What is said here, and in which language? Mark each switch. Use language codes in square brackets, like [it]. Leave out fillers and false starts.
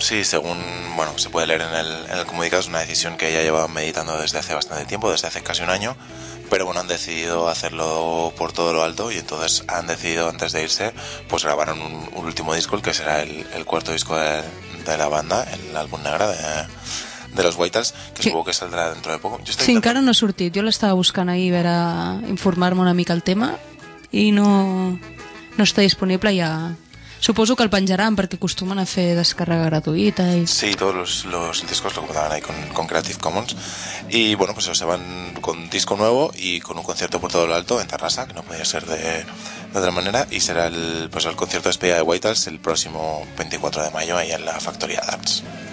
[es] Sí, según, bueno, se puede leer en el comunicado, es una decisión que ya lleva meditando desde hace bastante tiempo, desde hace casi un año, pero bueno, han decidido hacerlo por todo lo alto y entonces han decidido antes de irse, pues grabar un último disco, el que será el cuarto disco de la banda, el álbum negro de los Whitals, que supongo que saldrá dentro de poco. Yo estoy [ca] encara no ha sortit, jo l'estava buscant ahir per a informar-me una mica el tema i no està disponible ja. Suposo que el penjaran perquè acostumen a fer descàrrega gratuïta. I sí, tots els discos lo comentaven [es] ahí con [ca] Creative Commons. [es] Y bueno, pues se van con disco nuevo y con un concierto por todo lo alto en Terrassa, que no podía ser de otra manera. Y será el concierto de despedida de Whitals el próximo 24 de mayo ahí en la Factoría Darts.